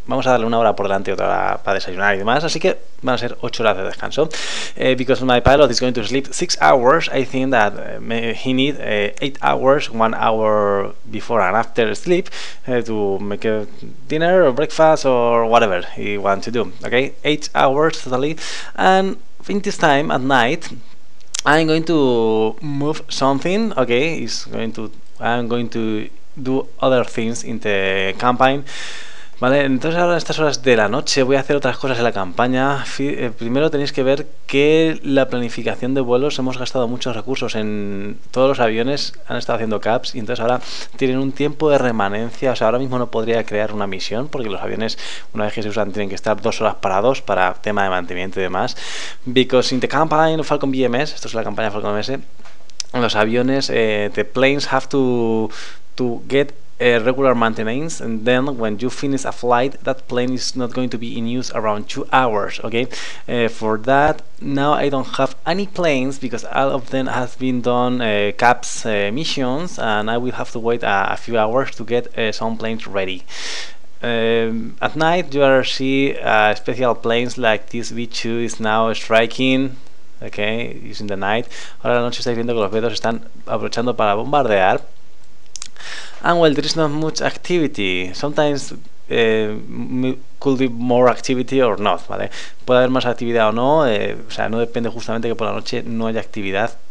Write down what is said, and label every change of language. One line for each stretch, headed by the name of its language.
Spanish: vamos a darle una hora por delante y otra para desayunar y demás, así que van a ser 8 horas de descanso.
English: Because my pilot is going to sleep 6 hours, I think that he needs 8 hours, 1 hour before and after sleep, to make a dinner or breakfast or whatever he wants to do, okay? 8 hours totally, and in this time at night, I'm going to move something, okay? I'm going to do other things in the campaign, ¿vale?
Spanish: Entonces ahora en estas horas de la noche voy a hacer otras cosas en la campaña. Primero tenéis que ver que la planificación de vuelos, hemos gastado muchos recursos en todos los aviones, han estado haciendo caps y entonces ahora tienen un tiempo de remanencia. O sea, ahora mismo no podría crear una misión porque los aviones, una vez que se usan, tienen que estar 2 horas parados para tema de mantenimiento y demás.
English: Because in the campaign of Falcon BMS,
Spanish: esto es la campaña Falcon BMS, los aviones,
English: the planes have to get regular maintenance, and then when you finish a flight, that plane is not going to be in use around 2 hours, okay? For that, now I don't have any planes because all of them have been done CAPS missions, and I will have to wait a few hours to get some planes ready. At night you are see special planes like this V2 is now striking. Okay, using the night.
Spanish: Ahora en la noche estáis viendo que los vetos están aprovechando para bombardear.
English: And well, there is not much activity. Sometimes could be more activity or not, ¿vale?
Spanish: Puede haber más actividad o no, o sea, no depende justamente que por la noche no haya actividad.